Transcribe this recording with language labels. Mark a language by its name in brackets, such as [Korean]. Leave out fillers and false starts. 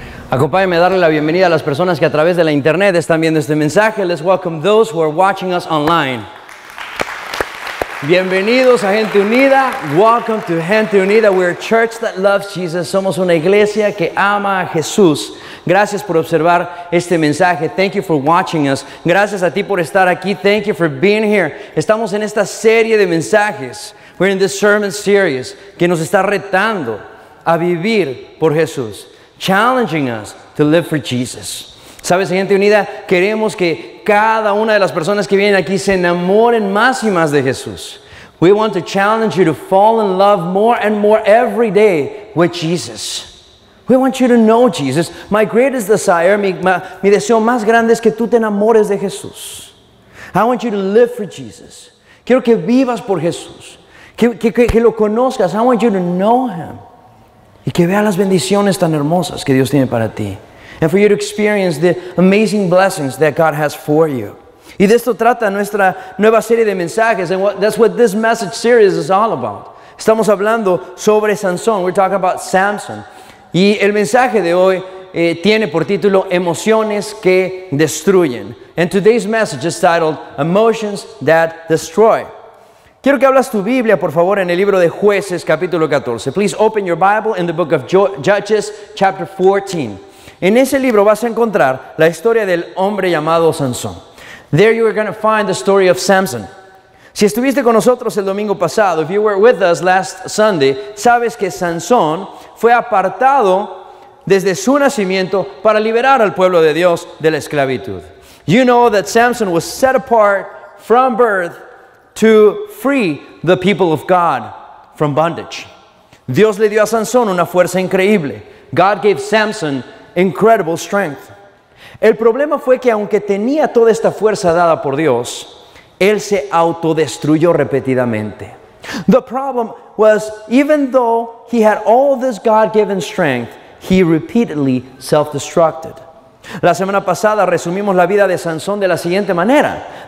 [Spanish] Acompáñenme a darle la bienvenida a las personas que a través de la internet están viendo este mensaje. [English] Let's welcome those who are watching us online. [Spanish] Bienvenidos a Gente Unida. [English] Welcome to Gente Unida. We're a church that loves Jesus. [Spanish] Somos una iglesia que ama a Jesús. Gracias por observar este mensaje. [English] Thank you for watching us. [Spanish] Gracias a ti por estar aquí. [English] Thank you for being here. [Spanish] Estamos en esta serie de mensajes. [English] We're in this sermon series [Spanish] que nos está retando a vivir por Jesús. [English] Challenging us to live for Jesus. [Spanish] ¿Sabes, Gente Unida? Queremos que cada una de las personas que vienen aquí se enamoren más y más de Jesús. [English] We want to challenge you to fall in love more and more every day with Jesus. We want you to know Jesus. My greatest desire, [Spanish] mi deseo más grande es que tú te enamores de Jesús. [English] I want you to live for Jesus. [Spanish] Quiero que vivas por Jesús. Que lo conozcas. [English] I want you to know Him. [Spanish] Y que vea las bendiciones tan hermosas que Dios tiene para ti. [English] And for you to experience the amazing blessings that God has for you. [Spanish] Y de esto trata nuestra nueva serie de mensajes. [English] And that's what this message series is all about. [Spanish] Estamos hablando sobre Sansón. [English] We're talking about Samson. [Spanish] Y el mensaje de hoy tiene por título Emociones que Destruyen. [English] And today's message is titled Emotions That Destroy. [Spanish] Quiero que hablas tu Biblia, por favor, en el libro de Jueces, capítulo 14. [English] Please open your Bible in the book of Judges, chapter 14. [Spanish] En ese libro vas a encontrar la historia del hombre llamado Sansón. [English] There you are going to find the story of Samson. [Spanish] Si estuviste con nosotros el domingo pasado, [English] if you were with us last Sunday, [Spanish] sabes que Sansón fue apartado desde su nacimiento para liberar al pueblo de Dios de la esclavitud. [English] You know that Samson was set apart from birth to free the people of God from bondage. [Spanish] Dios le dio a Sansón una fuerza increíble. [English] God gave Samson incredible strength. [Spanish] El problema fue que aunque tenía toda esta fuerza dada por Dios, él se autodestruyó repetidamente. [English] The problem was, even though he had all this God-given strength, he repeatedly self-destructed. [Spanish] La semana pasada resumimos la vida de Sansón de la siguiente manera.